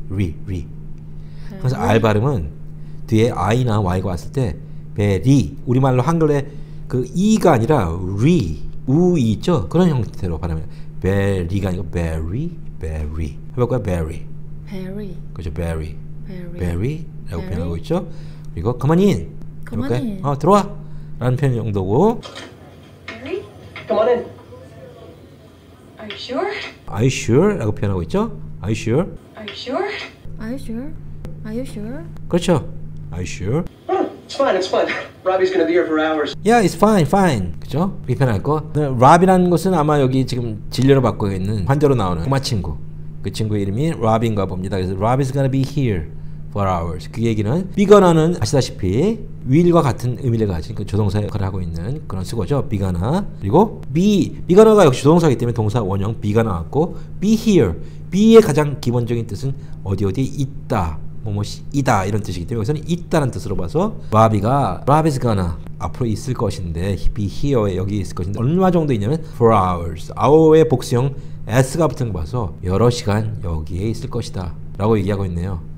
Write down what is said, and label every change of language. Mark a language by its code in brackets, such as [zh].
[en] Re. Re. [ko] 그래서 R 발음은 뒤에 I나 Y가 왔을 때 베리, 우리말로 한글에 그 E가 아니라 리, 우이 있죠? 그런 형태로 발음해요. 베리가 아니고 베리, 베리. 해볼까요? 베리. 베리. 그렇죠. 베리. 베리. 라고 표현하고 있죠? 그리고 [en] Come on in. Come on in. [ko] 어, 들어와. 라는 표현 정도고. 베리? [en] Come on in. Are you sure? Are you sure? [ko] 라고 표현하고 있죠? [en] Are you sure? Are you sure? Are you sure? Are you sure? [ko] 그렇죠. [en] Are you sure? It's fine. Robbie's gonna be here for hours. Yeah, it's fine. [ko] 그렇죠? 불편할 거. Robbie라는 것은 아마 여기 지금 진료로 받고 있는 환자로 나오는 꼬마 친구. 그 친구의 이름이 Robbie인가 봅니다. 그래서 [en] Robbie's gonna be here for hours. [ko] 그 얘기는 be gonna는 아시다시피 will과 같은 의미를 가진 그 조동사 역할을 하고 있는 그런 쓰고죠. [en] be gonna. [ko] 그리고 be gonna가 역시 조동사이기 때문에 동사 원형 be가 나왔고 be here. be의 가장 기본적인 뜻은 어디 어디 있다. 뭐뭐이다 이런 뜻이기 때문에 여기서는 있다는 뜻으로 봐서 Robbie가 Robbie's gonna 앞으로 있을 것인데 be here에 여기 있을 것인데 얼마 정도 있냐면 for hours, hour의 복수형 s가 붙은 거 봐서 여러 시간 여기에 있을 것이다 라고 얘기하고 있네요.